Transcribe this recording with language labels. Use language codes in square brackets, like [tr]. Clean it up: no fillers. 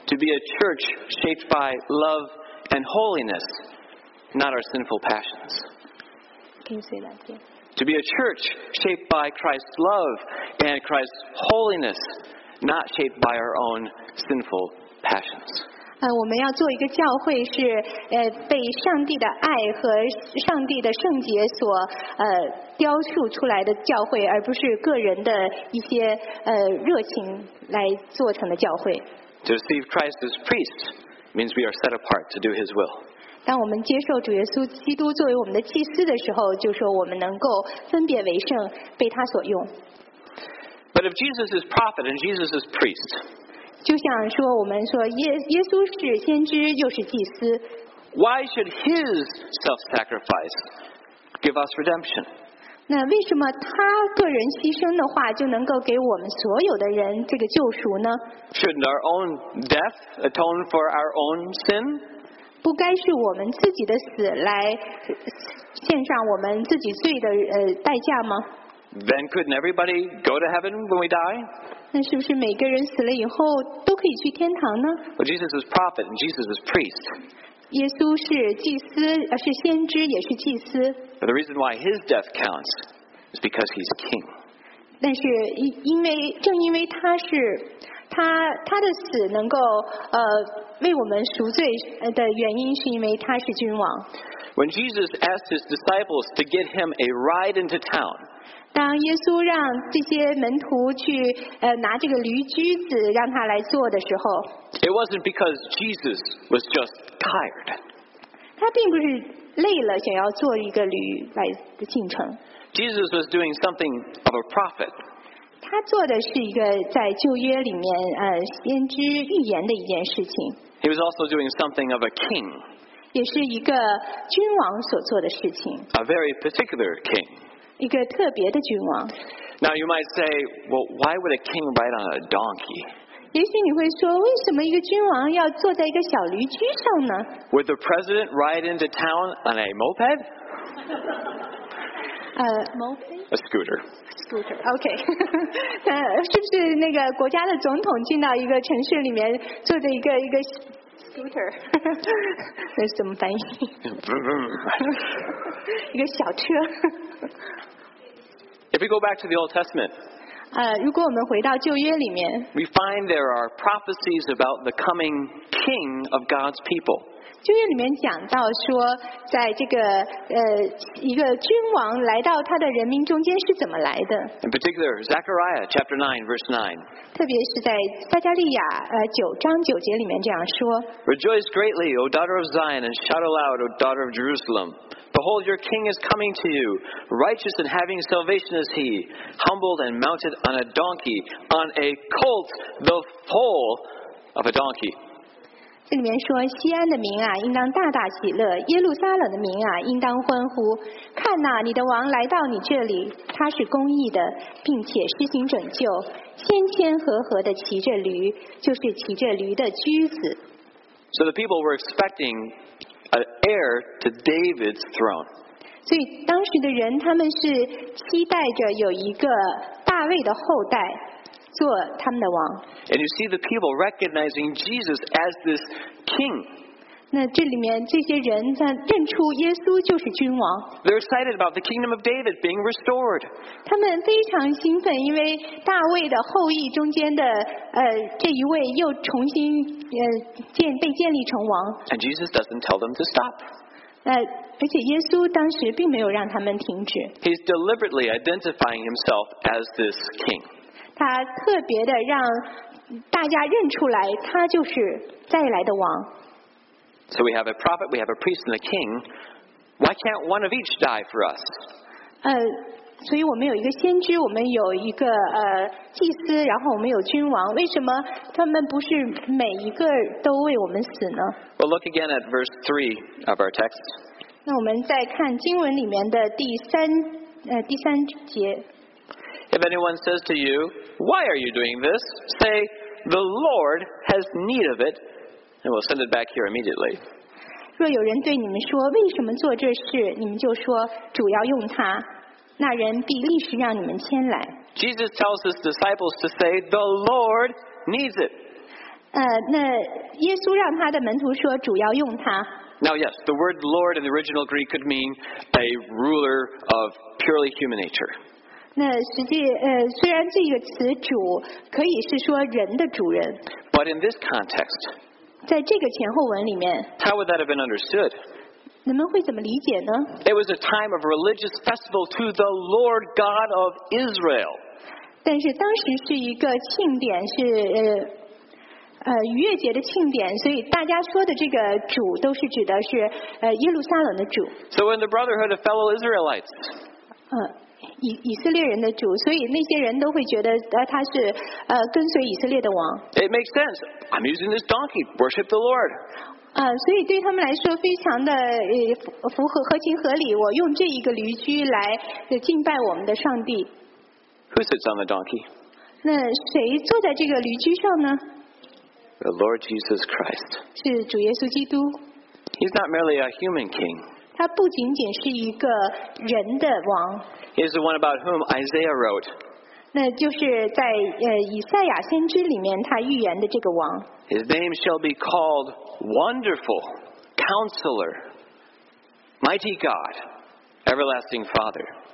[en] To be a church shaped by love and holiness, not our sinful passions. Can you say that again? To be a church shaped by Christ's love and Christ's holiness, not shaped by our own sinful passions. [zh] 我们要做一个教会是被上帝的爱和上帝的圣洁所雕塑出来的教会，而不是个人的一些热情来做成的教会。 [en] To receive Christ as priest means we are set apart to do His will. [zh] 当我们接受主耶稣基督作为我们的祭司的时候，就说我们能够分别为圣，被他所用。 [en] But if Jesus is prophet and Jesus is priest, [zh] 就像说我们说耶稣是先知，又是祭司。 [en] Why should his self-sacrifice give us redemption? [zh] 那为什么他个人牺牲的话就能够给我们所有的人这个救赎呢？ [en] Shouldn't our own death atone for our own sin? [zh] 不该是我们自己的死来献上我们自己罪的代价吗？ [en] Then couldn't everybody go to heaven when we die? [zh] 那是不是每个人死了以后都可以去天堂呢？ [en] Well, Jesus is prophet and Jesus is priest. [zh] 耶稣是祭司，是先知，也是祭司。 [en] But the reason why his death counts is because he's king. [zh] 但是正因为他的死能够为我们赎罪的原因是因为他是君王。 [en] When Jesus asked his disciples to get him a ride into town, [zh] 当耶稣让这些门徒去拿这个驴驹子让他来坐的时候， [en] It wasn't because Jesus was just tired. [zh] 他并不是累了想要坐一个驴来的进程。 [en] Jesus was doing something of a prophet. [zh] 他做的是一个在旧约里面先知预言的一件事情。 [en] He was also doing something of a king. [zh] 也是一个君王所做的事情。 [en] A very particular king. [zh] 一个特别的君王。 [en] Now you might say, well, why would a king ride on a donkey? [zh] 也许你会说，为什么一个君王要坐在一个小驴驹上呢？ [en] Would the president ride into town on a moped? moped? A scooter. Okay. [zh] 是不是那个国家的总统进到一个城市里面坐着一个 scooter? 那是怎么翻译？一个小车。 [en] If we go back to the Old Testament, [zh] 如果我们回到旧约里面， [en] we find there are prophecies about the coming king of God's people. [zh] 旧约里面讲到说，在这个一个君王来到他的人民中间是怎么来的 [en] ？In particular, Zechariah chapter 9, verse 9. [zh] 特别是在撒迦利亚九章九节里面这样说 [en] ：Rejoice greatly, O daughter of Zion, and shout aloud, O daughter of Jerusalem. Behold, your king is coming to you, righteous and having salvation is he, humbled and mounted on a donkey, on a colt, the foal of a donkey. [zh] 这里面说西安的民啊应当大大喜乐，耶路撒冷的民啊应当欢呼，看哪，你的王来到你这里，他是公义的，并且施行拯救，谦谦和和的骑着驴，就是骑着驴的驹子。 [en] So the people were expecting an heir to David's throne. [zh] 所以当时的人他们是期待着有一个大卫的后代做他们的王。 [en] And you see the people recognizing Jesus as this king. [zh] 那这里面这些人在认出耶稣就是君王。 [en] They're excited about the kingdom of David being restored. [zh] 他们非常兴奋，因为大卫的后裔中间的这一位又重新被建立成王。 [en] And Jesus doesn't tell them to stop. [zh] 而且耶稣当时并没有让他们停止。 [en] He's deliberately identifying himself as this king. [zh] 他特别的让大家认出来他就是再来的王。 [en] So we have a prophet, we have a priest and a king. Why can't one of each die for us? [zh] 所以我们有一个先知，我们有一个祭司，然后我们有君王，为什么他们不是每一个都为我们死呢？ [en] Well, look again at verse 3 of our text. [zh] 那我们再看经文里面的第三节。 [en] If anyone says to you, why are you doing this? Say, the Lord has need of it. And we'll send it back here immediately. [zh] 若有人对你们说，为什么做这事？你们就说，主要用它。那人必立时让你们迁来。 [en] Jesus tells his disciples to say, the Lord needs it. [zh] 那耶稣让他的门徒说，主要用它。 [en] Now yes, the word Lord in the original Greek could mean a ruler of purely human nature. [zh] 那实际虽然这个词主可以是说人的主人 [en] But in this context [zh] 在这个前后文里面 [en] How would that have been understood? [zh] 人们会怎么理解呢 [en] It was a time of religious festival to the Lord God of Israel [zh] 但是当时是一个庆典是逾越节的庆典所以大家说的这个主都是指的是耶路撒冷的主 [en] So in the brotherhood of fellow Israelites [zh] 以色列人的主，所以那些人都会觉得他是跟随以色列的王。 [en] It makes sense. I'm using this donkey. Worship the Lord. [zh] 所以对他们来说非常的符合合情合理。我用这一个驴驹来敬拜我们的上帝。 [en] Who sits on the donkey? [zh] 那谁坐在这个驴驹上呢 [en] ？The Lord Jesus Christ. [zh] 是主耶稣基督。 [en] He's not merely a human king. [zh] 他不仅仅是一个人的王。 [en] He is the one about whom Isaiah wrote. [zh] 那就是在以赛亚先知里面他预言的这个王。 [en] His name shall be called Wonderful, Counselor, Mighty God, Everlasting Father.